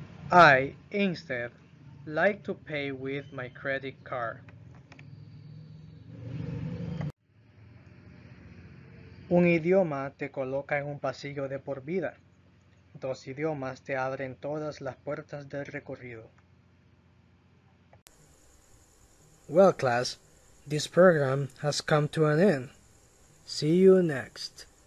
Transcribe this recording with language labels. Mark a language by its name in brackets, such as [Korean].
[English] I, instead, like to pay with my credit card. [Spanish] Un idioma te coloca en un pasillo de por vida. Dos idiomas te abren todas las puertas del recorrido. [English] Well, class, this program has come to an end. See you next.